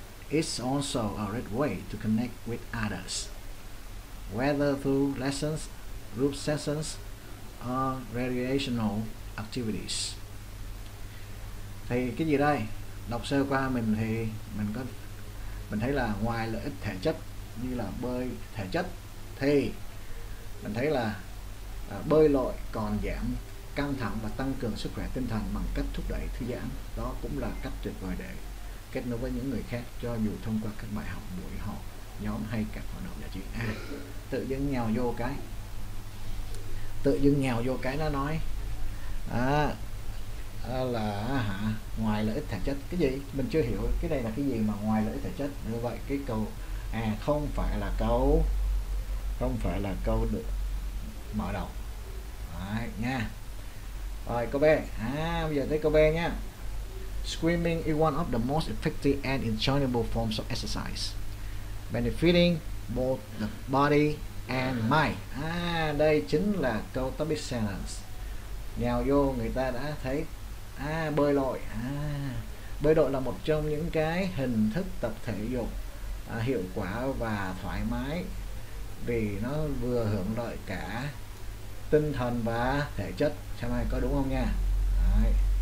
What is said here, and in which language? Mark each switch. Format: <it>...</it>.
<en>It's also a great way to connect with others, whether through lessons, group sessions, or recreational activities.</en> <vi>Thì cái gì đây? Đọc sơ qua mình thì mình thấy là ngoài lợi ích thể chất như là bơi thể chất, thì mình thấy là bơi lội còn giảm căng thẳng và tăng cường sức khỏe tinh thần bằng cách thúc đẩy thư giãn. Đó cũng là cách tuyệt vời để kết nối với những người khác, cho dù thông qua các bài học, buổi họp nhóm hay các hoạt động giải trí. Tự dưng nhào vô cái nó nói là hả, ngoài lợi ích thể chất cái gì mình chưa hiểu, cái này là cái gì mà ngoài lợi ích thể chất. Như vậy cái câu à không phải là câu, không phải là câu được mở đầu. Đấy, nha. Rồi câu B. À, bây giờ tới câu B nha.</vi> <en>Swimming is one of the most effective and enjoyable forms of exercise, benefiting both the body and mind.</en> <vi>À, đây chính là câu topic sentence. Nhào vô người ta đã thấy. À, bơi lội. À, bơi lội là một trong những cái hình thức tập thể dục hiệu quả và thoải mái, vì nó vừa hưởng lợi cả tinh thần và thể chất, xem ai có đúng không nha. Đấy.</vi>